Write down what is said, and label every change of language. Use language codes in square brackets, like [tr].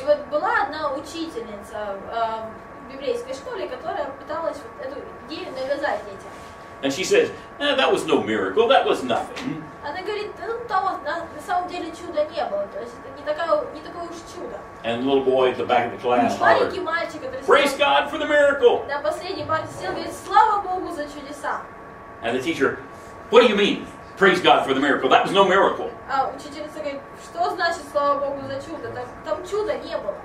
[ru] И вот была одна учительница в библейской школе, которая пыталась вот эту идею навязать детям. [en] And she says, eh, that was no miracle, that was nothing. [ru] Она говорит, ну, там на самом деле чуда не было, то есть это не такое уж чудо. [en] And the little boy at the back of the class hollered, [ru] мальчик, [en] praise God for the miracle! [ru] На последней парте сел, говорит, слава Богу за чудеса. [en] And the teacher, what do you mean, praise God for the miracle, that was no miracle. [ru] А учительница говорит, что значит слава Богу за чудо, там чуда не было.